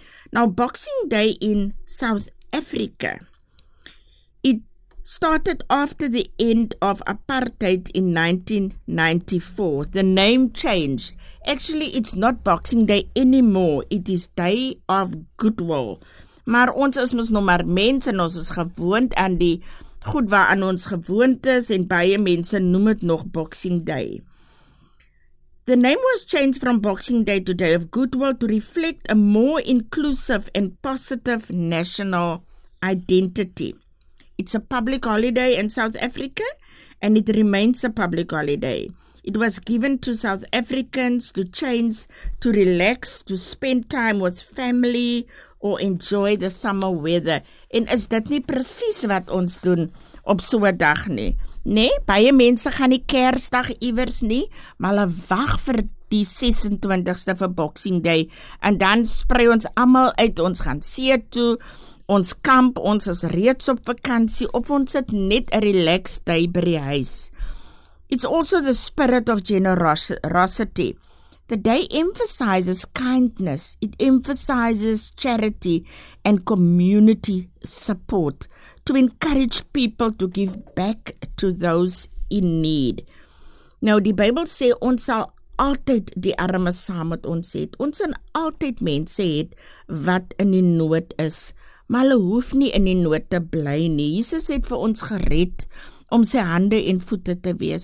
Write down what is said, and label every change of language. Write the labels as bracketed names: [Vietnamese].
[English] Now, Boxing Day in South Africa, it started after the end of apartheid in 1994. The name changed. Actually, it's not Boxing Day anymore. It is Day of Goodwill. [Afrikaans] Maar ons is mos nog maar mens en ons is gewoond aan die goed waaraan ons gewoond is en baie mense noem het nog Boxing Day. [English] The name was changed from Boxing Day to Day of Goodwill to reflect a more inclusive and positive national identity. It's a public holiday in South Africa and it remains a public holiday. It was given to South Africans to change, to relax, to spend time with family or enjoy the summer weather. [Afrikaans] En is dit nie precies wat ons doen op so 'n dag nie? Nee, baie mense gaan nie Kersdag iewers nie, maar hulle wag vir die 26ste vir Boxing Day en dan sprei ons allemaal uit, ons gaan see toe, ons kamp, ons is reeds op vakantie of ons het net 'n [English] relaxed day [Afrikaans] by die huis. [English] It's also the spirit of generosity. The day emphasizes kindness. It emphasizes charity and community support to encourage people to give back to those in need. [Afrikaans] Nou, die Bybel sê, ons sal altyd die arme saam met ons het. Ons sal altyd mense het wat in die nood is. Maar hulle hoef nie in die nood te bly nie. Jesus het vir ons gered om sy hande en voete te wees.